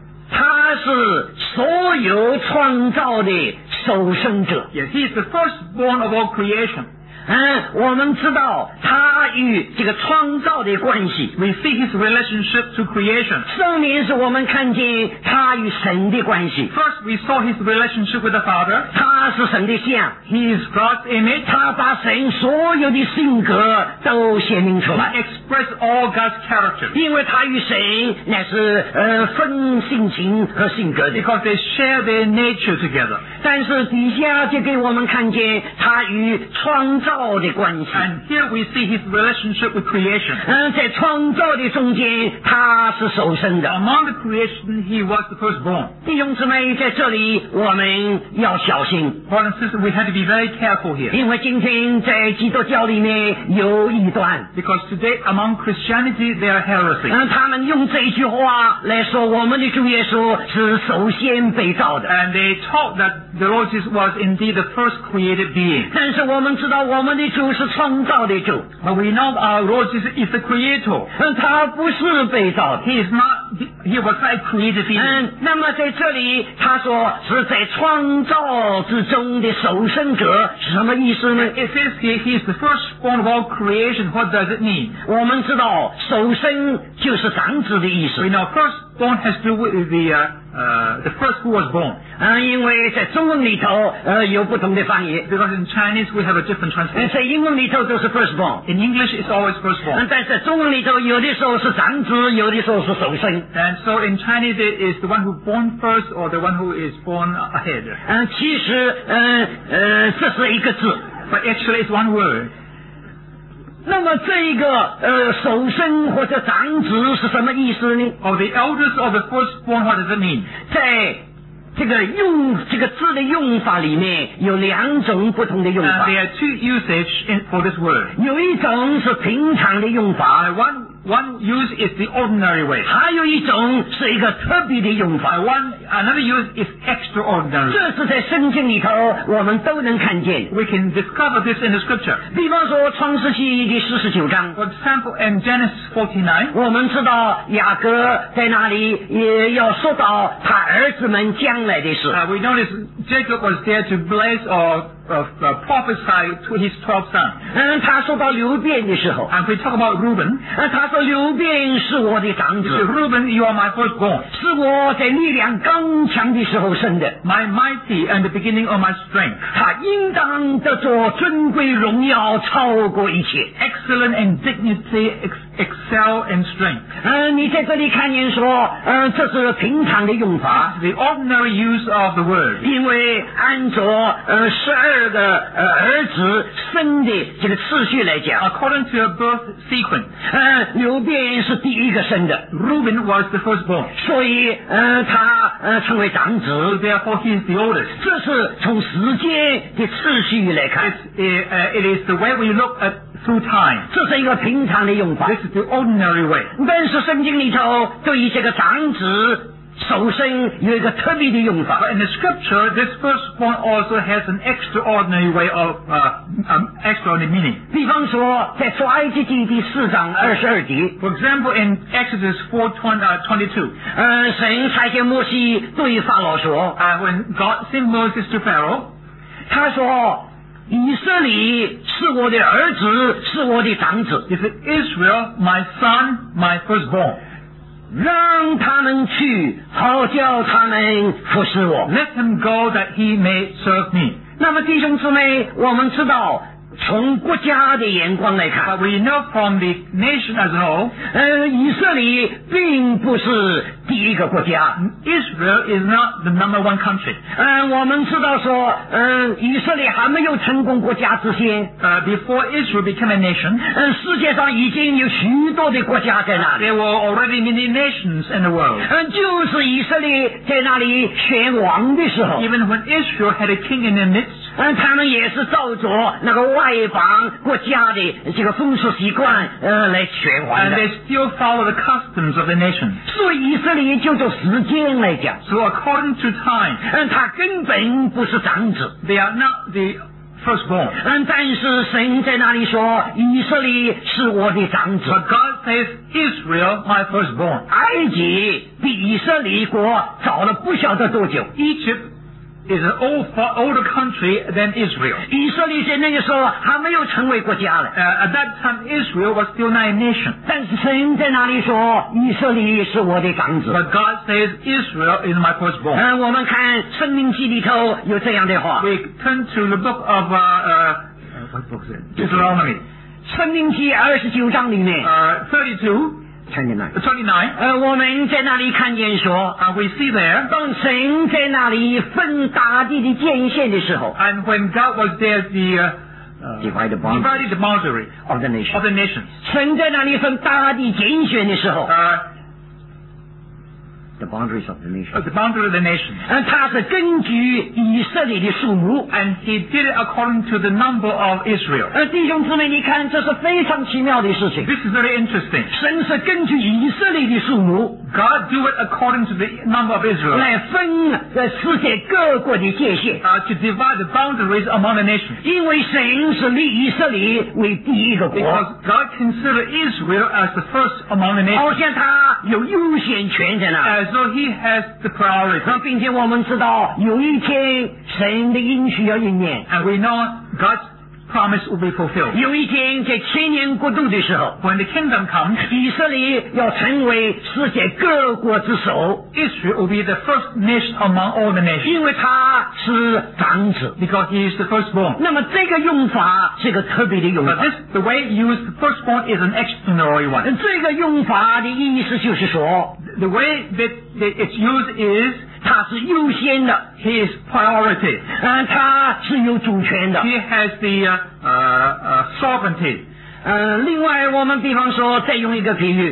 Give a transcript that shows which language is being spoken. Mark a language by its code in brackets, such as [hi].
[zh] 他是所有创造的首生者。 [en] Yes, he is the firstborn of all creation. [zh] 我们知道他与这个创造的关系。 [en] We see his relationship to creation. [zh] 圣灵是我们看见他与神的关系。 [en] First, we saw his relationship with the Father. [zh] 他是神的像。 [en] He is God's image. [zh] 他把神所有的性格都显明出来。 [en] Express all God's character. [zh] 因为他与谁乃是分性情和性格的。 [en] Because they share their nature together. [zh] 但是底下就给我们看见他与创造的关系。 [en] And here we see his relationship with creation. [zh] 在创造的中间他是首生的。 [en] Among the creation, he was the firstborn. [zh] 弟兄姊妹，在这里我们要小心。 [en] Brothers and sisters, we have to be very careful here. [zh] 因为今天在基督教里面有异端。 [en] Because today,Among Christianity, they are heresy. [zh] 他们用这句话来说，我们的主耶稣是首先被造的。 [en] And they taught that the Lord Jesus was indeed the first created being. [zh] 但是我们知道，我们的主是创造的主。 [en] But we know our Lord Jesus is the Creator. [zh] 他不是被造的。 [en] He is not. He was not created being. [zh] 那么在这里，他说是在创造之中的首生者，是什么意思呢？ [en] It says here he is the firstborn of all creation. What does it mean? [zh] 我们知道首生就是长子的意思。 [en] We know firstborn has to do with the first who was born. [zh] 因为在中文里头有不同的翻译。 [en] Because in Chinese we have a different translation. [zh] 在英文里头就是 firstborn. [en] In English it's always firstborn. [zh] 但是在中文里头有的时候是长子，有的时候是首生。 [en] And so in Chinese it is the one who born first or the one who is born ahead. [zh] 其实这是一个字。 [en] But actually it's one word. [zh] 那么这一个首生或者长子是什么意思呢？ [en] Of the eldest or the firstborn, what does it mean? [zh] 在这个用这个字的用法里面有两种不同的用法。 [en] There are two usages for this word. [zh] 有一种是平常的用法。 [en] One use is the ordinary way. [zh] 还有一种是一个特别的用法。 [en] Another use is extraordinary. [zh] 这是在圣经里头我们都能看见。 [en] We can discover this in the scripture. [zh] 比方说创世纪第四十九章。 [en] For example, in Genesis 49, [zh] 我们知道雅各在那里也要说到他儿子们将来的事。 [en] We notice Jacob was there to bless prophesy to his 12 sons. [zh] 他说到流便的时候。 [en] And we talk about Reuben. [zh] 他说流便是我的长子。 [en] Reuben, you are my firstborn. [zh] 是我在力量刚强的时候生的。 [en] My mighty and the beginning of my strength. [zh] 他应当得着尊贵荣耀超过一切。 [en] Excellent and dignity excel and strength. [zh] 你在这里看见说这是平常的用法。 [en] That's the ordinary use of the word. [zh] 因为按照12个儿子生的这个次序来讲 [en] ，According to a birth sequence， [zh] 流便是第一个生的 [en] ，Reuben was the firstborn， [zh] 所以他称为长子 [en] ，Therefore he is the oldest。 [zh] 这是从时间的次序来看 [en] ，It is the way we look at。 Through time. [zh] 这是一个平常的用法。 [en] This is the ordinary way. [zh] 但是圣经里头对于这个长子首生有一个特别的用法。 [en] But in the scripture, this firstborn also has an extraordinary way of extraordinary meaning. [zh] 比方说，在出埃及记第四章二十二节。 [en] For example, in Exodus 4:22, [zh] 神差遣摩西对法老说。 [en] When God sent Moses to Pharaoh, [zh] 他说。以色列是我的儿子，是我的长子。 [en] He said, Israel, my son, my firstborn. [zh] 让他们去，好叫他们服侍我。 [en] Let them go that he may serve me. [zh] 那么弟兄姊妹，我们知道从国家的眼光来看 [en] ，But we know from the nation as a whole， [zh] 以色列并不是第一个国家。 [en] Israel is not the number one country. [zh] 我们知道说，以色列还没有成功国家之前。 [en] Before Israel became a nation. [zh] 世界上已经有许多的国家在那里。 [en] There were already many nations in the world. [zh] 就是以色列在那里选王的时候。 [en] Even when Israel had a king in the midst. [zh] 他们也是照着那个外邦国家的这个风俗习惯，来选王的。 [en] And they still follow the customs of the nation. [zh] 所以以色列就做时间来讲。 [en] So according to time. [zh] 他根本不是长子。 [en] They are not the firstborn. [zh] 但是神在那里说，以色列是我的长子。 [en] But God says, Israel, my firstborn. [zh] 埃及比以色列国早了不晓得多久。 [en] Egypt. Is an old, far older country than Israel. [zh] 以色列在那个时候还没有成为国家了。 [en] At that time, Israel was still not a nation. [zh] 但是神在哪里说以色列是我的长子 [en] ？But God says Israel is my firstborn. [zh] 我们看《生命记》里头有这样的话。 [en] We turn to the book of what book is it? Deuteronomy. [zh] 生命记二十九章里面。 [en] 29. [zh] 我们在那里看见说 [en] we see there, [zh] 当神在那里分大地的界限的时候 [en] and when God was there the, divided the boundary of the nation, of the nations. [zh] 神在那里分大地界限的时候 [en] The boundaries of the nation. The boundary of the nation. [zh] 他是根据以色列的数目。 [en] And he did it according to the number of Israel. [zh] 弟兄姊妹，你看，这是非常奇妙的事情。 [en] This is very interesting. [zh] 神是根据以色列的数目。 [en] God do it according to the number of Israel. [zh] 来分世界各国的界限。 [en] To divide the boundaries among the nations. [zh] 因为神是立以色列为第一个国。 [en] Because God considered Israel as the first among the nations. [zh] 好像他有优先权在那。 [en] So he has the priority. [zh] 并且我们知道有一天神的应许要应验。 [en] And we know God's promise will be fulfilled. [zh] 有一天在千年国度的时候 [en] When the kingdom comes, [zh] 以色列要成为世界各国之首。 [en] Israel will be the first nation among all the nations. [zh] 因为他是长子。 [en] Because he is the firstborn. [zh] 那么这个用法是个特别的用法。 [en] But this, the way he used the firstborn is an extraordinary one. [zh] 这个用法的意思就是说 [en] The way that it's used is, [zh] 他是优先的 [en] he is priority, [zh] 他是有主权的 [en] he has the sovereignty. [zh] 另外我们比方说再用一个比喻